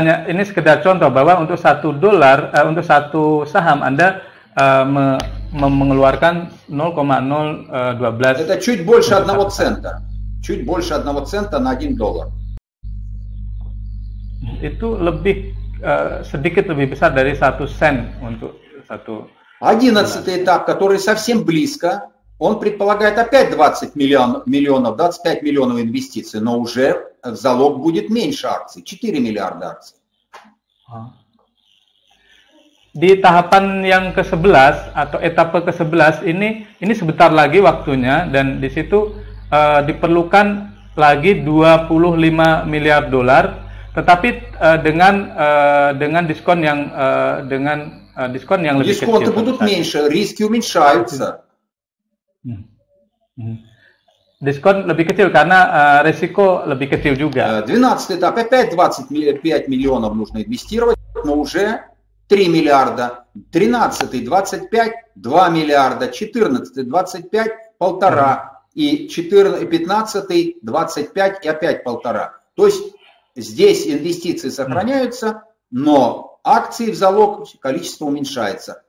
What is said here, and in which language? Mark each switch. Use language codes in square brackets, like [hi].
[id] Ini sekedar contoh bahwa untuk 1 dolar, untuk 1 saham Anda mengeluarkan 0,012. [ru] Это чуть больше 1 цента. Чуть больше 1 цента на 1 доллар. Это [id] lebih sedikit lebih besar dari 1 sen untuk 1. [ru] 11-й этап, который совсем близко, он предполагает опять 25 миллионов инвестиций, но уже в залог будет меньше акций, 4 миллиарда акций. [id] Di tahapan yang ke-11 atau etape ke-11 ini sebentar lagi waktunya, dan di situ diperlukan lagi 25 miliar dolar, tetapi dengan diskon yang diskon yang lebih diskon kecil. Diskon itu [ru] будут меньше, риски уменьшаются. [id] Diskon lebih kecil karena risiko lebih kecil juga. [ru] 12 этап опять 25 миллионов нужно инвестировать, но уже 3 миллиарда. 13-й 25, 2 миллиарда. 14-й 25, 1,5. И 15-й 25 и опять 1,5. То есть здесь инвестиции сохраняются, но акции в залог, количество уменьшается.